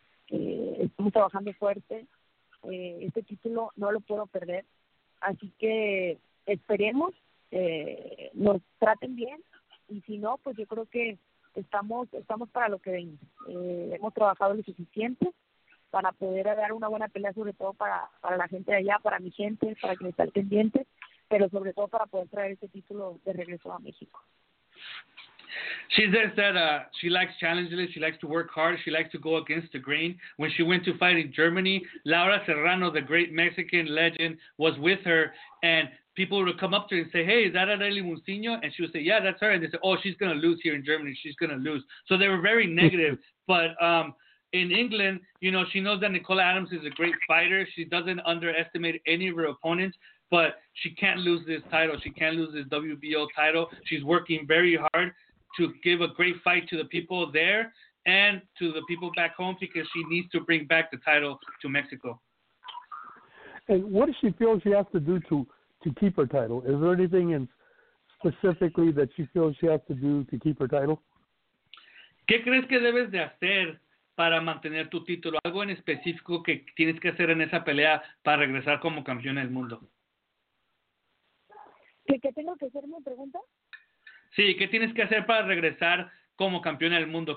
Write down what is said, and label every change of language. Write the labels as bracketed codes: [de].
[es] Estamos trabajando fuerte, este título no lo puedo perder, así que esperemos, nos traten bien, y si no, pues yo creo que estamos para lo que venga. Hemos trabajado lo suficiente para poder dar una buena pelea, sobre todo para la gente de allá, para mi gente, para quien está al pendiente, pero sobre todo para poder traer este título de regreso a México. [en] She says that she likes challenges, she likes to work hard, she likes to go against the grain. When she went to fight in Germany, Laura Serrano, the great Mexican legend, was with her, and people would come up to her and say, hey, is that Arely Musiño? And she would say, yeah, that's her. And they said, oh, she's going to lose here in Germany, she's going to lose. So they were very negative. But in England, you know, she knows that Nicola Adams is a great fighter. She doesn't underestimate any of her opponents. But she can't lose this title. She can't lose this WBO title. She's working very hard to give a great fight to the people there and to the people back home, because she needs to bring back the title to Mexico. And what does she feel she has to do to keep her title? Is there anything in specifically that she feels she has to do to keep her title? [es] ¿Qué crees que debes de hacer para mantener tu título? ¿Algo en específico que tienes que hacer en esa pelea para regresar como campeona del mundo? ¿Qué tengo que hacer, me pregunta? Sí, ¿qué tienes que hacer para regresar como campeona del mundo?